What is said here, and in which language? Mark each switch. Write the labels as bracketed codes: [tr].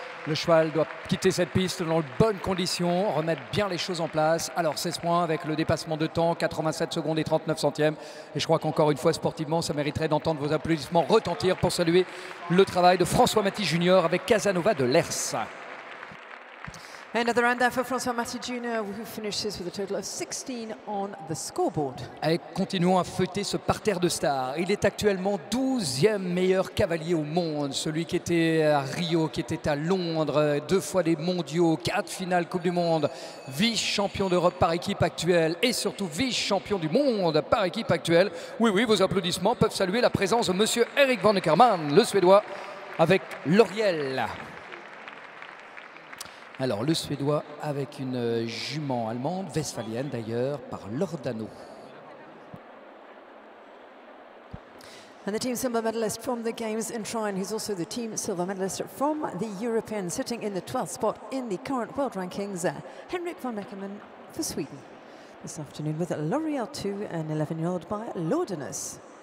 [fr] Le cheval doit quitter cette piste dans de bonnes conditions, remettre bien les choses en place. Alors 16 points avec le dépassement de temps, 87 secondes et 39 centièmes. Et je crois qu'encore une fois, sportivement, ça mériterait d'entendre vos applaudissements retentir pour saluer le travail de François Matisse Junior avec Casanova de Lers. [en] End of the round there for François Matisse Junior, who finishes with a total of 16 on the scoreboard. [fr] Et continuons à feuilleter ce parterre de stars. Il est actuellement 12e meilleur cavalier au monde. Celui qui était à Rio, qui était à Londres, deux fois des mondiaux, quatre finales Coupe du Monde, vice-champion d'Europe par équipe actuelle et surtout vice-champion du monde par équipe actuelle. Oui, oui, vos applaudissements peuvent saluer la présence de monsieur Erik van Eckermann, le Suédois, avec L'Oriel. Alors, le Suédois avec une jument allemande, westphalienne d'ailleurs, par Lordano. [en] And the team silver medalist from the Games in Trine, who's also the team silver medalist from the European, sitting in the 12th spot in the current world rankings, Henrik von Eckermann for Sweden. This afternoon with L'Oréal 2, an 11-year-old by Lordanus.